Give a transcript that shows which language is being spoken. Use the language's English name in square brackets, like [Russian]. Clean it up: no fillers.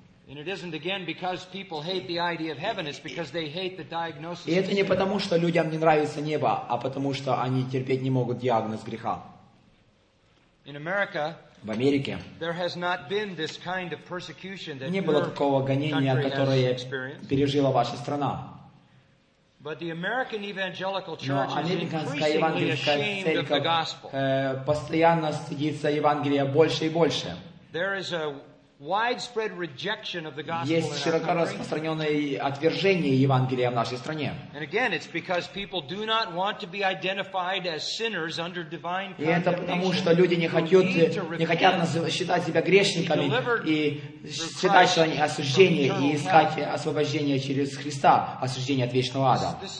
[English] And it isn't again because people hate the idea of heaven, it's because they hate the diagnosis. [Russian] И это не потому, что людям не нравится небо, а потому что они терпеть не могут диагноз греха. [English] In America, [Russian] в Америке, [English] there has not been this kind of persecution that [Russian] не было такого гонения, которое пережила ваша страна. [English] But the American Evangelical Church is increasingly ashamed of the gospel. [Russian] Постоянно стыдится Евангелия больше и больше. [English] There is a widespread rejection of the gospel. [Russian] Есть широко распространенное отвержение Евангелия в нашей стране. [English] And again, it's because people do not want to be identified as sinners under divine condemnation. [Russian] И это потому, что люди не хотят считать себя грешниками и считать, что они осуждение и искать освобождение через Христа, осуждение от вечного ада.